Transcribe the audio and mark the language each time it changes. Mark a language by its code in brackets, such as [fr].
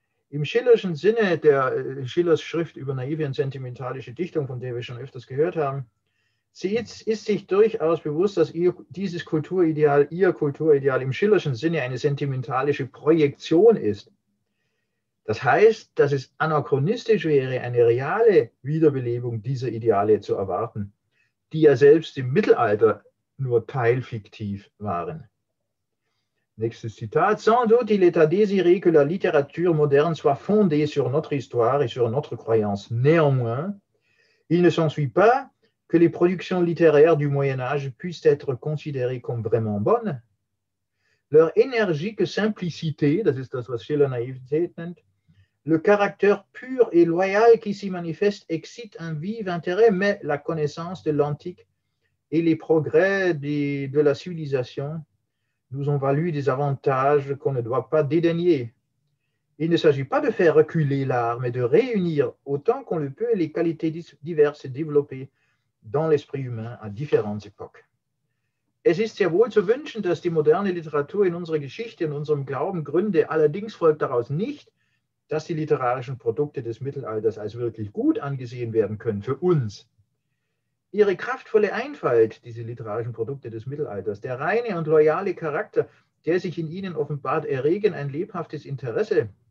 [de] Im Schillerschen Sinne der Schillers Schrift über naive und sentimentalische Dichtung, von der wir schon öfters gehört haben, sie ist sich durchaus bewusst, dass ihr Kulturideal im Schillerschen Sinne eine sentimentalische Projektion ist. Das heißt, dass es anachronistisch wäre, eine reale Wiederbelebung dieser Ideale zu erwarten, die ja selbst im Mittelalter nur teilfiktiv waren. Nächstes Zitat. [fr] Sans doute, il est à désirer que la littérature moderne soit fondée sur notre histoire et sur notre croyance. Néanmoins, il ne s'ensuit pas que les productions littéraires du Moyen Âge puissent être considérées comme vraiment bonnes, leur énergique simplicité, [de] das ist das, was Schiller Naivität nennt, [fr] le caractère pur et loyal qui s'y manifeste excite un vif intérêt, mais la connaissance de l'antique et les progrès de la civilisation nous ont valu des avantages qu'on ne doit pas dédaigner. Il ne s'agit pas de faire reculer l'art, mais de réunir autant qu'on le peut les qualités diverses développées dans l'esprit humain à différentes époques. [de] Es ist sehr wohl zu wünschen, dass die moderne Literatur in unserer Geschichte, in unserem Glauben gründe. Allerdings folgt daraus nicht, dass die literarischen Produkte des Mittelalters als wirklich gut angesehen werden können für uns. Ihre kraftvolle Einfalt, diese literarischen Produkte des Mittelalters, der reine und loyale Charakter, der sich in ihnen offenbart, erregen ein lebhaftes Interesse.